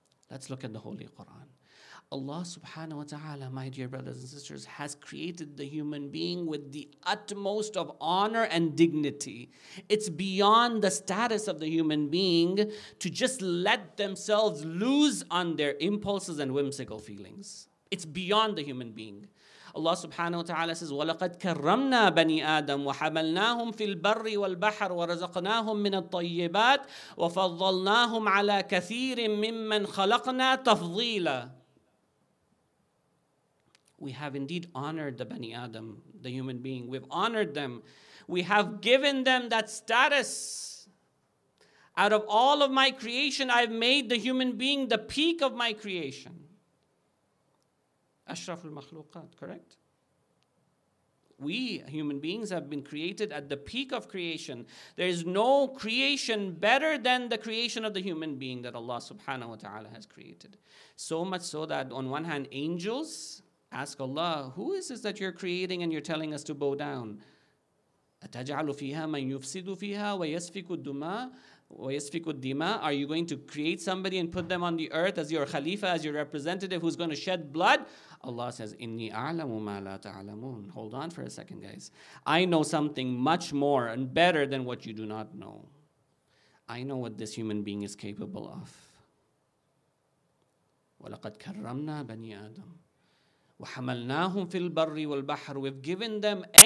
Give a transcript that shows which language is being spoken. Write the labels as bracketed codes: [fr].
[en] Let's look at the Holy Quran. Allah subhanahu wa ta'ala, my dear brothers and sisters, has created the human being with the utmost of honor and dignity. It's beyond the status of the human being to just let themselves loose on their impulses and whimsical feelings. It's beyond the human being. [ar] Allah subhanahu wa ta'ala says, وَلَقَدْ كَرَّمْنَا بَنِي آدَمَ وَحَمَلْنَاهُمْ فِي الْبَرِّ وَالْبَحْرِ وَرَزَقْنَاهُمْ مِنَ الطَّيِّبَاتِ وَفَضَّلْنَاهُمْ عَلَى كَثِيرٍ مِّمَّنْ خَلَقْنَا تَفْضِيلًا. [en] We have indeed honored the Bani Adam, the human being. We've honored them. We have given them that status. Out of all of my creation, I've made the human being the peak of my creation. Ashraf al-makhluqat, correct? We, human beings, have been created at the peak of creation. There is no creation better than the creation of the human being that Allah subhanahu wa ta'ala has created. So much so that on one hand, angels ask Allah, who is this that you're creating and you're telling us to bow down? [ar] أَتَجْعَلُ فِيهَا مَنْ يُفْسِدُ فِيهَا وَيَسْفِكُ الدُّمَاءَ وَيَسْفِكُ الدِّمَاءَ. [en] Are you going to create somebody and put them on the earth as your khalifa, as your representative who's going to shed blood? [ar] Allah says, إِنِّي أَعْلَمُ مَا لَا تَعْلَمُونَ. [en] Hold on for a second, guys. I know something much more and better than what you do not know. I know what this human being is capable of. [ar] وَلَقَدْ كَرَّمْنَا بَنِي آدَمَ وَحَمَلْنَاهُمْ فِي الْبَرِّ وَالْبَحْرِ. [en] We've given them